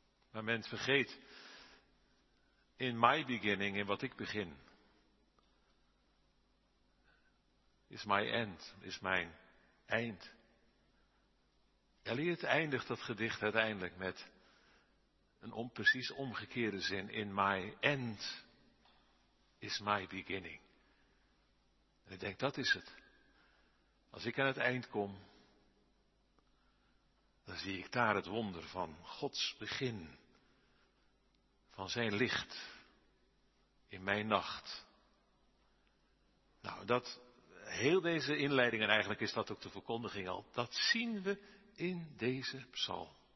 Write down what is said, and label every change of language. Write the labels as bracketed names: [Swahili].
[Dutch] Maar men vergeet, [English] in my beginning, [Dutch] in wat ik begin, [English] is my end, [Dutch] is mijn eind. Eliot eindigt dat gedicht uiteindelijk met een precies omgekeerde zin. [English] In my end is my beginning. [Dutch] En ik denk, dat is het. Als ik aan het eind kom, dan zie ik daar het wonder van Gods begin. Van zijn licht in mijn nacht. Nou, dat heel deze inleiding, en eigenlijk is dat ook de verkondiging al, dat zien we in deze psalm.